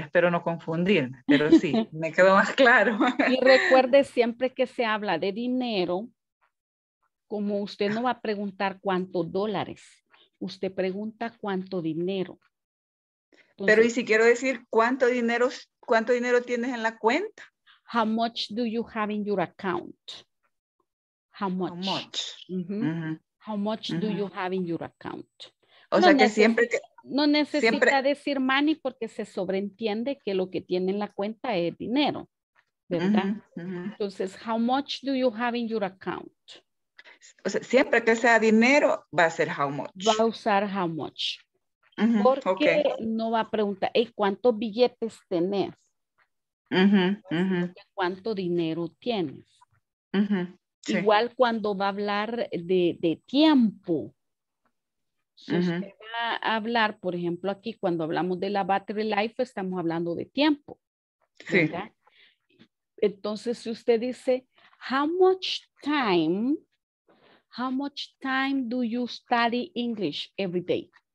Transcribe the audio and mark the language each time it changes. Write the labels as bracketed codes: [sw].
[es] Espero no confundirme, pero sí, me quedó más claro. Y recuerde, siempre que se habla de dinero, como usted no va a preguntar cuántos dólares, usted pregunta cuánto dinero. Entonces, pero y si quiero decir cuánto dinero tienes en la cuenta? [en] How much do you have in your account? How much? How much, mm-hmm. How much mm-hmm. do you have in your account? [es] O no sea que siempre que... No necesita siempre... decir money porque se sobreentiende que lo que tiene en la cuenta es dinero, ¿verdad? Uh-huh, uh-huh. [en] Entonces, how much do you have in your account? [es] O sea, siempre que sea dinero, va a ser how much. Va a usar how much. Uh-huh, porque okay. No va a preguntar, hey, ¿cuántos billetes tenés? Uh-huh, uh-huh. ¿Cuánto dinero tienes? Uh-huh, sí. Igual cuando va a hablar de tiempo. Si usted uh-huh. va a hablar, por ejemplo, aquí cuando hablamos de la battery life, estamos hablando de tiempo. Sí. Entonces, si usted dice, [en] how much time do you study English every day?